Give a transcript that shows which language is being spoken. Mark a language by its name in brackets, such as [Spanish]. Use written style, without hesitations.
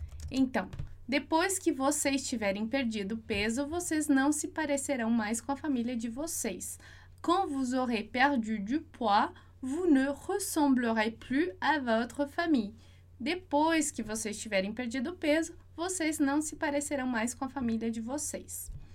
[Portuguese] Então, depois que vocês tiverem perdido peso, vocês não se parecerão mais com a família de vocês. [French] Quand vous aurez perdu du poids, vous ne ressemblerez plus à votre famille. [Portuguese] Depois que vocês tiverem perdido peso, vocês não se parecerão mais com a família de vocês.